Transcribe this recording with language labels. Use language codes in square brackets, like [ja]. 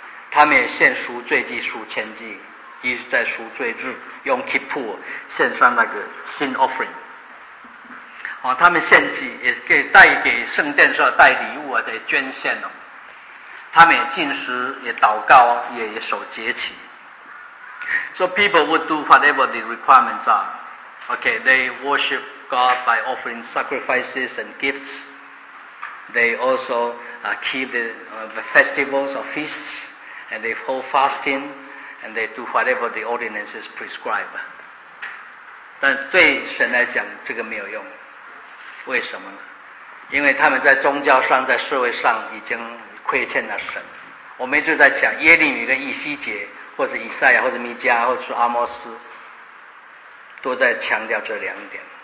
[zh] 他们也献赎罪祭、赎愆祭，一直在赎罪日用 Kippur 献上那个 sin offering。他们献祭也可以带给圣殿说带礼物啊，得捐献哦。他们也进食，也祷告，也守节期。 [en] So people would do whatever the requirements are. Okay, they worship God by offering sacrifices and gifts. They also keep the festivals or feasts, and they hold fasting, and they do whatever the ordinances prescribe. [zh] 但对神来讲，这个没有用。为什么呢？因为他们在宗教上，在社会上已经亏欠了神。我们一直在讲耶利米跟以西结，或者以赛亚，或者弥迦，或者阿摩斯，都在强调这两点。